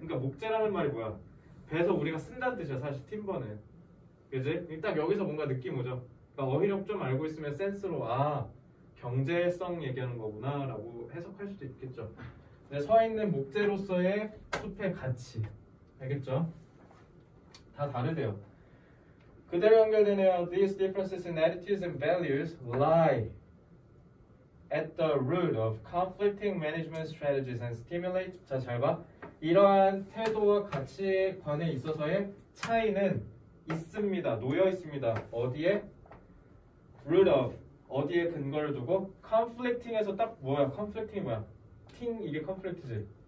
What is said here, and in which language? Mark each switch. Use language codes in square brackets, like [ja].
[ko] 그러니까 목재라는 말이 뭐야? 배에서 우리가 쓴다는 뜻이야, 사실 팀버는. 그지? 딱 여기서 뭔가 느낌 오죠? 그러니까 어휘력 좀 알고 있으면 센스로, 아, 경제성 얘기하는 거구나 라고 해석할 수도 있겠죠. 근데 서 있는 목재로서의 숲의 가치. 알겠죠? 다 다르대요. 그대로 연결되네요. [en] These differences in attitudes and values lie at the root of conflicting management strategies and stimulate. [ko] 자, 잘 봐. 이러한 태도와 가치관에 있어서의 차이는 있습니다. 놓여 있습니다. 어디에? [en] Root of. [ko] 어디에 근거를 두고? conflicting에서 딱 뭐야? conflicting이 뭐야? 팅 이게 conflict지.